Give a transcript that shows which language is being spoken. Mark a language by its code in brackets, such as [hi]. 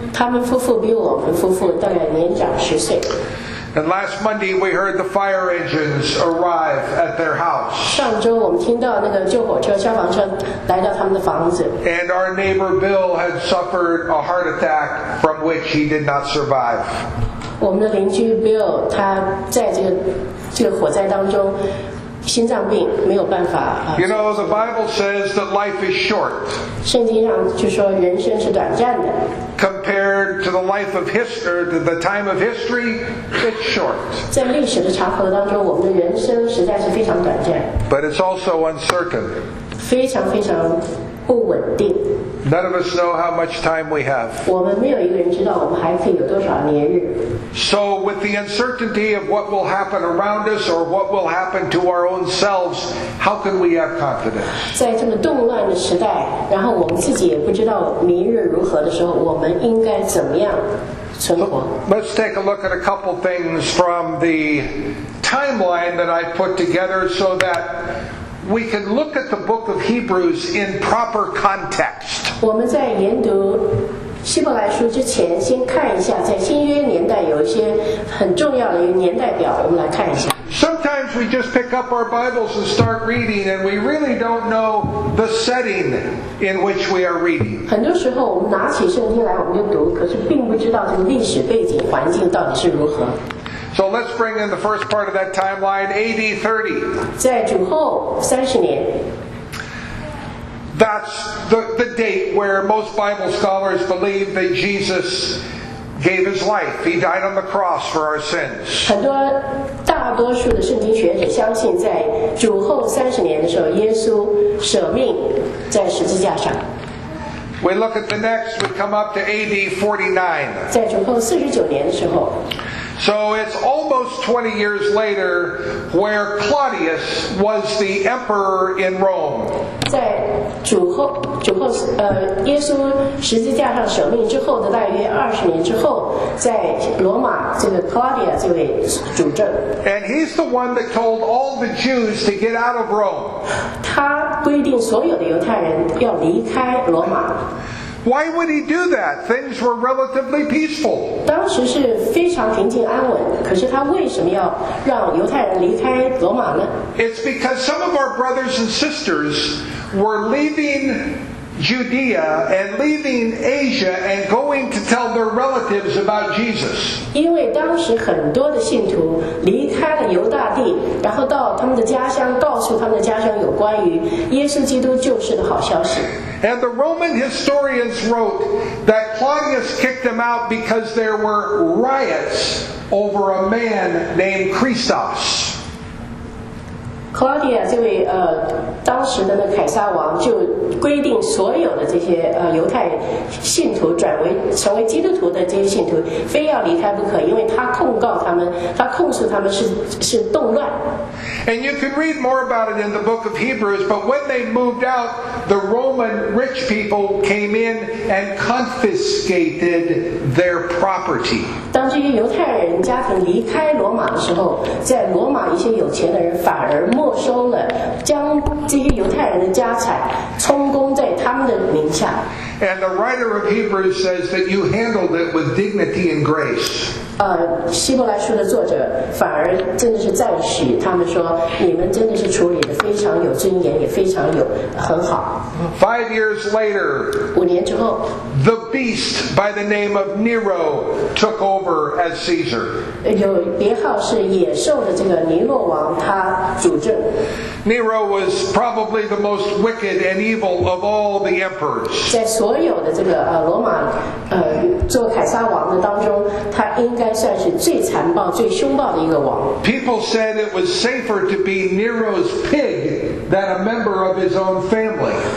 [zh] 他们夫妇比我们夫妇大概年长十岁。 [en] And last Monday, we heard the fire engines arrive at their house. [zh] 上周我们听到那个救火车、消防车来到他们的房子。 [en] And our neighbor Bill had suffered a heart attack from which he did not survive. [zh] 我们的邻居 Bill 他在这个火灾当中。心脏病没有办法。 [en] You know, the Bible says that life is short. [zh] 圣经上就说人生是短暂的。 [en] Compared to the life of history, to the time of history, it's short. [zh] 在历史的长河当中，我们的人生实在是非常短暂。 [en] But it's also uncertain. [zh] 非常非常不稳定。 [en] None of us know how much time we have. [zh] 我们没有一个人知道我们还可以有多少年日。 [en] So with the uncertainty of what will happen around us or what will happen to our own selves, how can we have confidence? [zh] 在这么动乱的时代，然后我们自己也不知道明日如何的时候，我们应该怎么样存活？ [en] Let's take a look at a couple things from the timeline that I put together so that we can look at the book of Hebrews in proper context. [zh] 我们在研读希伯来书之前，先看一下在新约年代有一些很重要的一个年代表，我们来看一下。 [en] Sometimes we just pick up our Bibles and start reading, and we really don't know the setting in which we are reading. [zh] 很多时候我们拿起圣经来我们就读，可是并不知道这个历史背景环境到底是如何。 [en] So let's bring in the first part of that timeline, AD 30. [zh] 在主后30年。 [en] That's the date where most Bible scholars believe that Jesus gave his life. He died on the cross for our sins. [zh] 很多大多数的圣经学者相信在主后30年的时候，耶稣舍命在十字架上。 [en] We look at the next, we come up to AD 49. [zh] 在主后四十九年的时候。 [en] So it's almost 20 years later where Claudius was the emperor in Rome. [zh] 在主后耶稣十字架上舍命之后的大约二十年之后，在罗马这个 Claudius 这位主政。 [en] And he's the one that told all the Jews to get out of Rome. [zh] 他规定所有的犹太人要离开罗马。 [en] Why would he do that? Things were relatively peaceful. [zh] 当时是非常平静安稳，可是他为什么要让犹太人离开罗马呢？ [en] It's because some of our brothers and sisters were leaving Judea and leaving Asia and going to tell their relatives about Jesus. [zh] 因为当时很多的信徒离开了犹大地，然后到他们的家乡，告诉他们的家乡有关于耶稣基督救世的好消息。 [en] And the Roman historians wrote that Claudius kicked them out because there were riots over a man named Christos. [zh] Claudius 这位当时的凯撒王就规定所有的这些犹太信徒转为成为基督徒的这些信徒非要离开不可，因为他控告他们，他控诉他们是动乱。 [en] And you can read more about it in the book of Hebrews, but when they moved out, the Roman rich people came in and confiscated their property. [zh] 当这些犹太人家庭离开罗马的时候，在罗马一些有钱的人反而没收了，将这些犹太人的家产充公在他们的名下。 [en] And the writer of Hebrews says that you handled it with dignity and grace. [zh] 希伯来书的作者反而真的是赞许他们说，你们真的是处理得非常有尊严，也非常有很好。 [en] Five years later, [zh] 五年之后 [en] ，the beast by the name of Nero took over as Caesar. [zh] 有别号是野兽的这个尼洛王，他主政。 [en] Nero was probably the most wicked and evil of all the emperors. [zh] 在所有的这个罗马做凯撒王的当中，他应该算是最残暴、最凶暴的一个王。 [en] People said it was safer to be Nero's pig than a member of his own family.